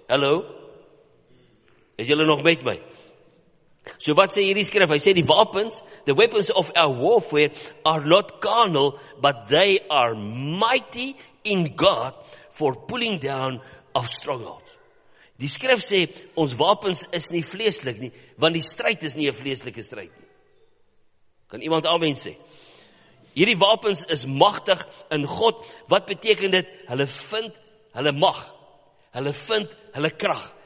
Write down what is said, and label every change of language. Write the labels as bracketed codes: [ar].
[af] Hallo, is julle nog met my? So wat sê hierdie skrif? Hy sê, die wapens, [en] the weapons of our warfare are not carnal, but they are mighty in God for pulling down of strongholds. [af] Die skrif sê, ons wapens is nie vleeslik nie, want die stryd is nie 'n vleeslike stryd nie. Kan iemand amen sê? Hierdie wapens is magtig in God. Wat beteken dit? Hulle vind hulle mag. Hulle vind hulle krag.